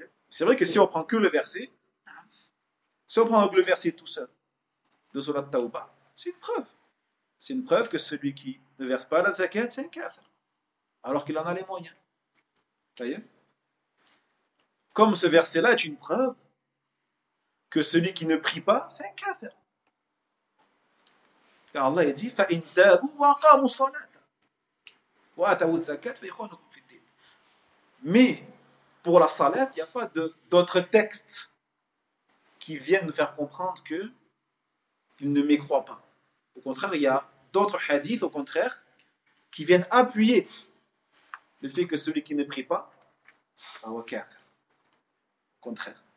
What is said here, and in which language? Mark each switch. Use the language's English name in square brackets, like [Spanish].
[French] C'est vrai que si on prend que le verset, si on prend le verset tout seul, de surat Tawbah, c'est une preuve. C'est une preuve que celui qui ne verse pas la zakat, c'est un kafir, alors qu'il en a les moyens. Comme ce verset-là est une preuve que celui qui ne prie pas, c'est un kafir. Car Allah a dit: [Arabic] فَإِنْ تَابُوا وَأَقَامُوا الصَّلَاةَ وَآتَوُا الزَّكَاةَ فَإِخْوَانُكُمْ فِي الدِّينِ. [French] Mais pour la salat, il n'y a pas d'autres textes qui viennent nous faire comprendre qu'ils ne mécroient pas. Au contraire, il y a d'autres hadiths, au contraire, qui viennent appuyer le fait que celui qui ne prie pas, a wakaf. Au contraire.